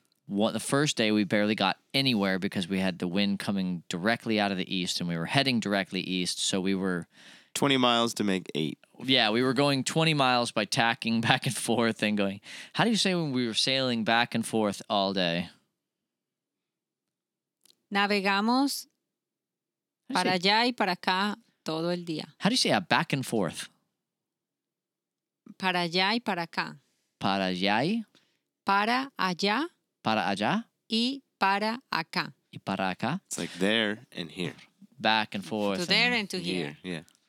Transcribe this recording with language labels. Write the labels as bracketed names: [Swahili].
[English] The first day, we barely got anywhere because we had the wind coming directly out of the east and we were heading directly east. So we were 20 miles to make 8. Yeah, we were going 20 miles by tacking back and forth and going. How do you say when we were sailing back and forth all day? [Spanish] Navegamos para allá y para acá todo el día. [English] How do you say a back and forth? [Spanish] Para allá y para acá. Para allá y. Para allá. Para allá. Y para acá. Y para acá. [English] It's like there and here. Back and forth. To there and to here. Yeah.